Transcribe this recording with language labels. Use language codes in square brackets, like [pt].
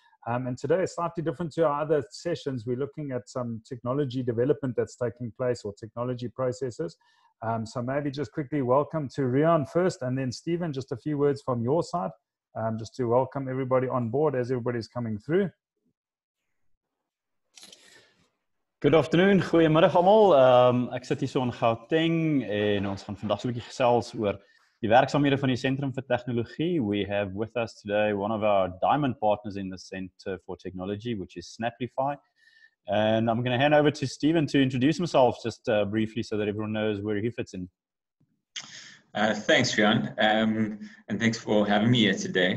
[en] And today is slightly different to our other sessions. We're looking at some technology development that's taking place or technology processes. So maybe just quickly welcome to Riaan first and then Stephen, just a few words from your side. Just to welcome everybody on board as everybody's coming through. Good afternoon, [af] goeiemiddag almal. Ek sit hier so in Gauteng en ons gaan vandag so 'n bietjie gesels oor die werksamhede van die Sentrum vir Tegnologie. [en] We have with us today one of our diamond partners in the Center for Technology, which is Snapplify. And I'm going to hand over to Stephen to introduce himself just briefly so that everyone knows where he fits in. Thanks, Riaan, and thanks for having me here today.